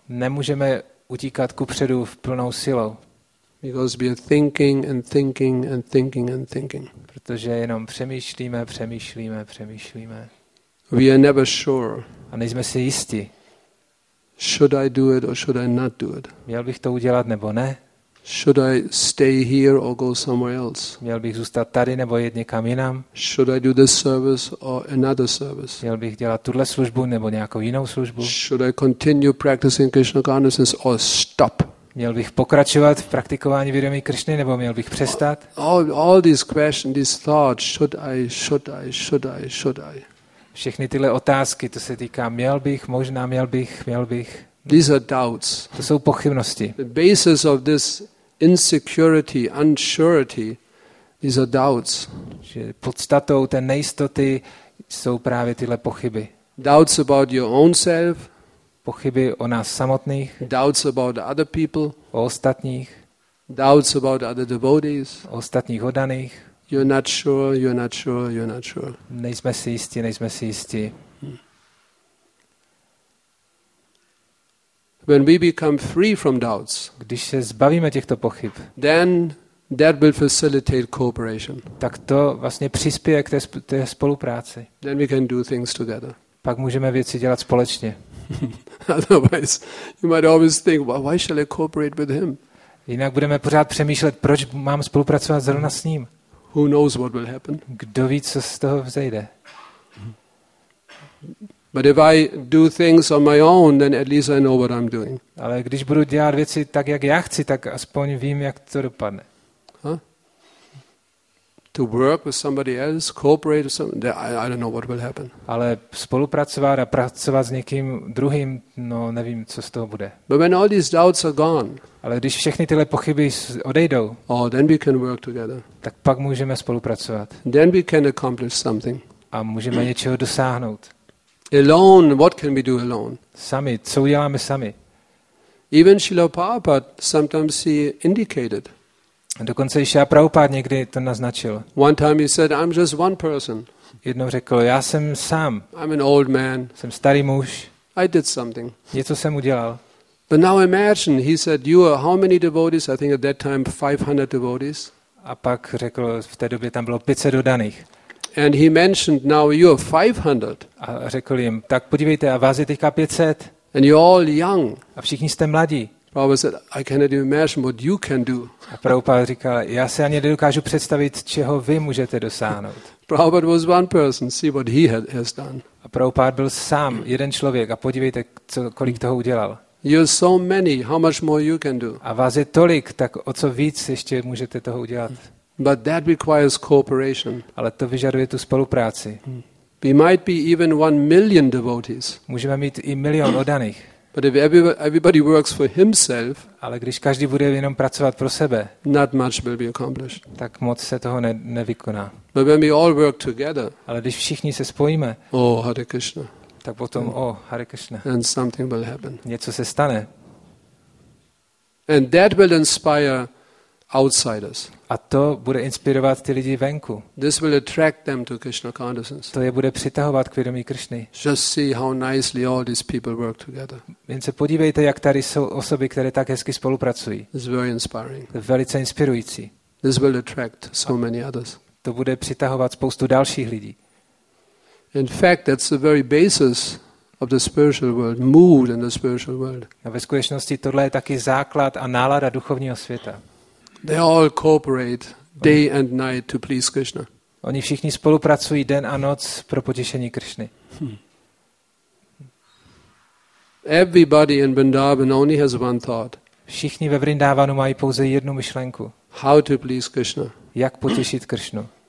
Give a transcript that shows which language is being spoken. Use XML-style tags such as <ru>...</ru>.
<cs>Nemůžeme utíkat kupředu v plnou silou.</cs> <en>Because we are thinking and thinking and thinking and thinking.</en> <cs>Protože jenom přemýšlíme, přemýšlíme, přemýšlíme.</cs> <en>We are never sure.</en> <cs>A nejsme si jisti.</cs> <en>Should I do it or should I not do it?</en> <cs>Měl bych to udělat nebo ne?</cs> <en>Should I stay here or go somewhere else?</en> <cs>Měl bych zůstat tady nebo jít někam jinam?</cs> <en>Should I do this service or another service?</en> <cs>Měl bych dělat tuhle službu nebo nějakou jinou službu?</cs> <en>Should I continue practicing Krishna consciousness or stop?</en> <cs>Měl bych pokračovat v praktikování vědomí Krishny nebo měl bych přestat?</cs> <en>All these questions, these thoughts, should I?</en> <cs>Všechny tyhle otázky, to se týká měl bych, možná měl bych.</cs> <en>These are doubts.</en> <cs>To jsou pochybnosti.</cs> <en>The basis of this insecurity, unsurety, these are doubts.</en> <cs>Že podstatou té nejistoty jsou právě tyhle pochyby.</cs> <en>Doubts about your own self.</en> <cs>Pochyby o nás samotných.</cs> <en>Doubts about other people.</en> <cs>O ostatních.</cs> <en>Doubts about other devotees.</en> <cs>O ostatních oddaných.</cs> <en>You're not sure.</en> <cs>Nejsme si jistí.</cs> <en>When we become free from doubts,</en> <cs>když se zbavíme těchto pochyb,</cs> <en>then that will facilitate cooperation.</en> <cs>Tak to vlastně přispěje k té spolupráci.</cs> <en>Then we can do things together.</en> <cs>Pak můžeme věci dělat společně.</cs> <en>Otherwise, you might always think, why shall I cooperate with him?</en> <cs>Jinak budeme pořád přemýšlet, proč mám spolupracovat zrovna s ním.</cs> <en>Who knows what will happen?</en> <cs>Kdo ví, co z toho vzejde?</cs> <en>But if I do things on my own, then at least I know what I'm doing.</en> <cs>Ale když budu dělat věci tak, jak já chci, tak aspoň vím, jak to dopadne.</cs> <en>To work with somebody else, cooperate with somebody, I don't know what will happen.</en> <cs>Ale spolupracovat a pracovat s někým druhým, no nevím, co z toho bude.</cs> <en>But when all these doubts are gone,</en> <cs>ale když všechny tyhle pochyby odejdou,</cs> <en>oh, then we can work together.</en> <cs>Tak pak můžeme spolupracovat.</cs> <en>Then we can accomplish something.</en> <cs>A můžeme něčeho dosáhnout.</cs> <en>Alone, what can we do alone?</en> <cs>Sami, co uděláme sami?</cs> <en>Even Srila Prabhupada sometimes he indicated.</en> <cs>Dokonce i Srila Prabhupada někdy to naznačil.</cs> <en>One time he said, I'm just one person.</en> <cs>Jednou řekl, já jsem sám.</cs> <en>I'm an old man.</en> <cs>Jsem starý muž.</cs> <en>I did something.</en> <cs>Něco jsem udělal.</cs> <en>But now imagine, he said, you are how many devotees? I think at that time 500 devotees.</en> <cs>A pak řekl, v té době tam bylo 500 dodaných.</cs> <en>And he mentioned, now you are 500.</en> <cs>A řekl jim, tak podívejte, a vás je teďka 500.</cs> <en>And you're all young.</en> <cs>A všichni jste mladí.</cs> <en>Prabhupada said, I cannot imagine what you can do.</en> <cs>A Prabhupada říkal, já se ani nedokážu představit, čeho vy můžete dosáhnout.</cs> <en>Prabhupada was one person, see what he has done.</en> <cs>A Prabhupada byl sám, jeden člověk, a podívejte, kolik toho udělal.</cs> <en>You're so many, how much more you can do.</en> <cs>A vás je tolik, tak o co víc ještě můžete toho udělat.</cs> <en>But that requires cooperation.</en> <cs>Ale to vyžaduje tu spolupráci.</cs> <en>We might be even 1 million devotees.</en> <cs>Můžeme mít i milion odaných.</cs> <en>But if everybody works for himself,</en> <cs>ale když každý bude jenom pracovat pro sebe,</cs> <en>not much will be accomplished.</en> <cs>Tak moc se toho nevykoná.</cs> <en>But when we all work together,</en> <cs>ale když všichni se spojíme,</cs> <en>oh Hare Krishna,</en> <cs>tak potom oh Hare Krishna,</cs> <en>and something will happen.</en> <cs>Něco se stane.</cs> <en>And that will inspire outsiders.</en> <cs>A to bude inspirovat ty lidi venku.</cs> <en>This will attract them to Krishna consciousness.</en> <cs>To je bude přitahovat k vědomí Krišny.</cs> <en>Just see how nicely all these people work together.</en> <cs>Jen se podívejte, jak tady jsou osoby, které tak hezky spolupracují.</cs> <en>It's very inspiring.</en> <cs>Velice inspirující.</cs> <en>This will attract so many others.</en> <cs>To bude přitahovat spoustu dalších lidí.</cs> <en>In fact, that's the very basis of the spiritual world, mood in the spiritual world.</en> <cs>A ve skutečnosti tohle je taky základ a nálada duchovního světa.</cs> <en>They all cooperate day and night to please Krishna.</en> <cs>Oni všichni spolupracují den a noc pro potěšení Krišny.</cs> <en>Everybody in Vrindavan only has one thought.</en> <cs>Všichni ve Vrindavanu mají pouze jednu myšlenku.</cs> <en>How to please Krishna?</en> <cs>Jak potěšit Krišnu?</cs>